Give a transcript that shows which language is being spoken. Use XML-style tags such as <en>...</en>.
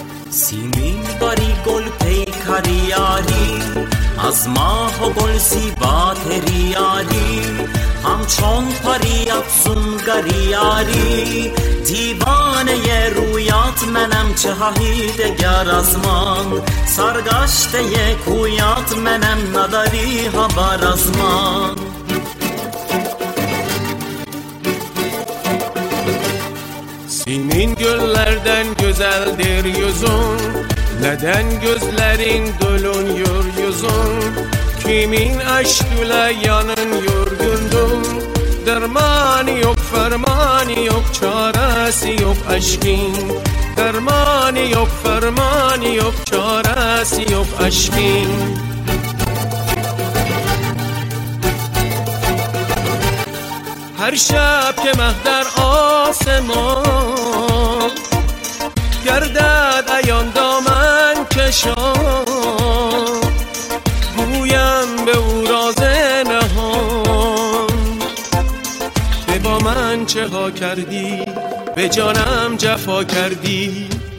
<fa>سیمین باری گل پیکری آری، از ماه و گل زیبا تری آری، همچون پری افزونگری آری، دیوانه ی رویات منم، چه هایی دگر از من، سرگشته ی کویات منم، نداری خبر از من.</fa> <tr>Senin güllerden güzeldir yüzün, neden gözlerin dolunuyor yüzün? Kimin aşkıyla yanıyor gönlün? Dermanı yok, fermanı yok, çaresi yok aşkın. Dermanı yok, fermanı yok, çaresi yok aşkın.</tr> <fa>هر شب که مه در آسمان گردد عیان دامن کشان، گویم به او راز نهان، به با من چه ها کردی، به جانم جفا کردی.</fa>